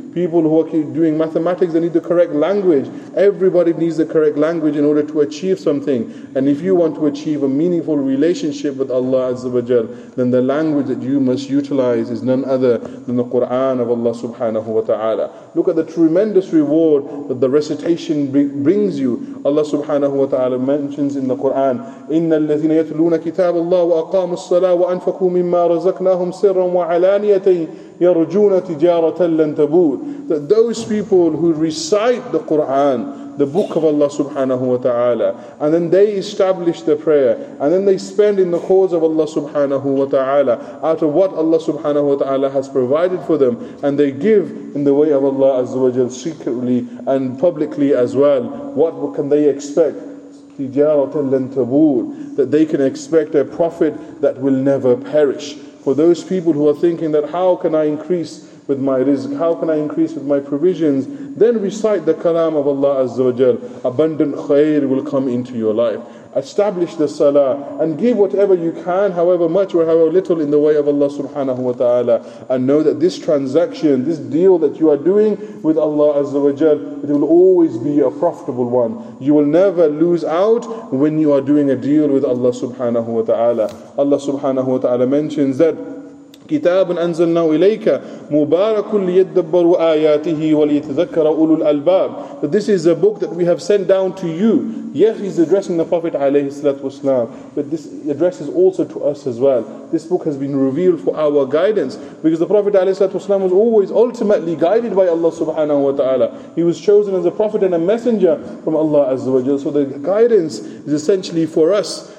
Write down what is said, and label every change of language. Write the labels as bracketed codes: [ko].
[en] People who are doing mathematics, they need the correct language. Everybody needs the correct language in order to achieve something. And if you want to achieve a meaningful relationship with Allah Azza wa Jal, then the language that you must utilize is none other than the Qur'an of Allah subhanahu wa ta'ala. Look at the tremendous reward that the recitation brings you. Allah subhanahu wa ta'ala mentions in the Qur'an, [ar] إِنَّ الَّذِينَ يَتْلُونَ كِتَابَ اللَّهِ وَأَقَامُوا الصَّلَاةِ وَأَنْفَقُوا مِمَّا رَزَقْنَاهُمْ سِرًّا وَعَلَانِيَةً يَرْجُونَ تِجَارَةً لَنْ تَبُورُ. [en] That those people who recite the Qur'an, the book of Allah subhanahu wa ta'ala, and then they establish the prayer, and then they spend in the cause of Allah subhanahu wa ta'ala, out of what Allah subhanahu wa ta'ala has provided for them, and they give in the way of Allah azza wa jal secretly and publicly as well, what can they expect? Tijaratan lan tabur, that they can expect a profit that will never perish. For those people who are thinking that, how can I increase with my rizq, how can I increase with my provisions, then recite the kalam of Allah Azza wa Jal. Abundant khair will come into your life. Establish the salah and give whatever you can, however much or however little, in the way of Allah subhanahu wa ta'ala. And know that this transaction, this deal that you are doing with Allah Azza wa Jal, it will always be a profitable one. You will never lose out when you are doing a deal with Allah subhanahu wa ta'ala. Allah subhanahu wa ta'ala mentions that [ar] كتاب أنزلنا إليك مبارك ليتدبروا آياته وليتذكر أولو الألباب. [en] But this is a book that we have sent down to you. Yes, he's addressing the Prophet [ar] عليه الصلاة والسلام, [en] but this address is also to us as well. This book has been revealed for our guidance, because the Prophet [ar] عليه الصلاة والسلام [en] was always ultimately guided by Allah subhanahu wa ta'ala. He was chosen as a prophet and a messenger from Allah Azza wa Jal. So the guidance is essentially for us.